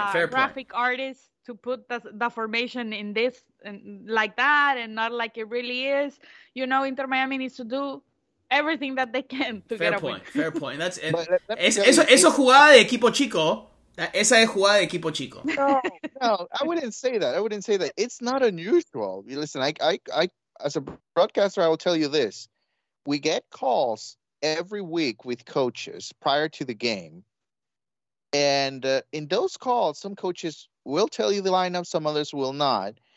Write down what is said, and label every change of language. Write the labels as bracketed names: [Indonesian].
[English] Graphic artists to put the formation in this and like that and not like it really is. You know, Inter Miami needs to do everything that they can to fair get point, a win. Fair point. That's it. [Spanish] Eso jugada de equipo chico. Esa es jugada de equipo chico. [English] No, I wouldn't say that. It's not unusual. Listen, I as a broadcaster, I will tell you this. We get calls every week with coaches prior to the game. And in those calls, some coaches will tell you the lineup, some others will not.